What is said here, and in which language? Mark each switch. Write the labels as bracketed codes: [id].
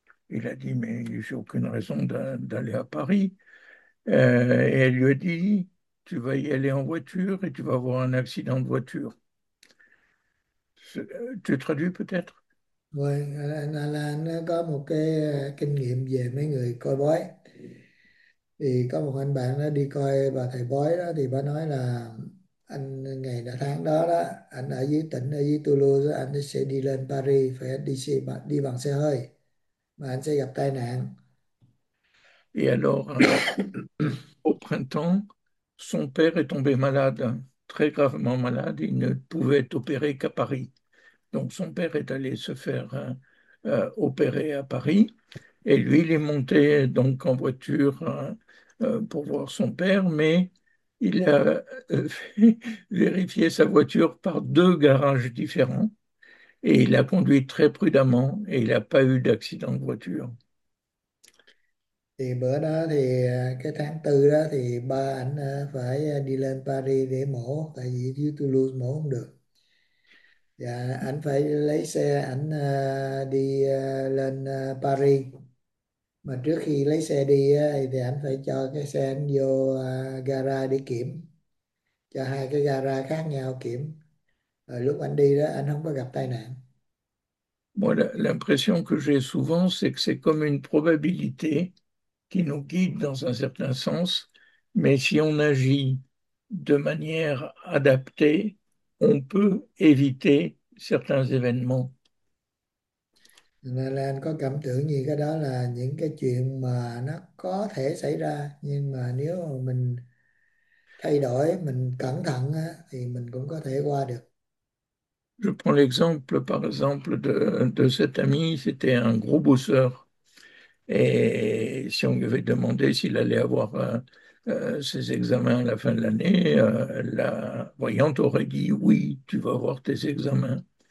[fr] Il a dit, mais j'ai aucune raison d'aller à Paris. Et elle lui a dit, tu vas y aller en voiture et tu vas avoir un accident de voiture. Tu traduis peut-être? [vi] Ouais, là nó có một cái kinh nghiệm về mấy người coi bói. Thì có một anh bạn đó đi coi bà thầy bói đó, thì bà nói là anh ngày đã tháng đó đó anh ở dưới tỉnh, ở dưới Toulouse, anh sẽ đi lên Paris, phải đi xe, đi bằng xe hơi mà anh sẽ gặp tai nạn. [fr] Et alors, au printemps, son père est tombé malade, très gravement malade. Il ne pouvait être opéré qu'à Paris. Donc son père est allé se faire opérer à Paris. Et lui, il est monté donc en voiture pour voir son père. Mais il a vérifié sa voiture par deux garages différents. Et il a conduit très prudemment et il n'a pas eu d'accident de voiture. [vi] Thì bữa đó thì cái tháng tư đó thì ba ảnh phải đi lên Paris để mổ, tại vì dưới Toulouse mổ không được. Và ảnh phải lấy xe ảnh đi lên Paris. Mà trước khi lấy xe đi thì ảnh phải cho cái xe ảnh vô gara để kiểm. Cho hai cái gara khác nhau kiểm. Rồi lúc ảnh đi đó ảnh không có gặp tai nạn. [fr] Moi, l'impression que j'ai souvent, c'est que c'est comme une probabilité qui nous guide dans un certain sens, mais si on agit de manière adaptée, on peut éviter certains événements. [vi] Nên là anh có cảm tưởng như cái đó là những cái chuyện mà nó có thể xảy ra, nhưng mà nếu mà mình thay đổi, mình cẩn thận á, thì mình cũng có thể qua được. [fr] Je prends l'exemple, par exemple, de cet ami. C'était un gros bosseur. Et si on lui avait demandé s'il allait avoir ses examens à la fin de l'année, la voyante aurait dit: oui, tu vas avoir tes examens.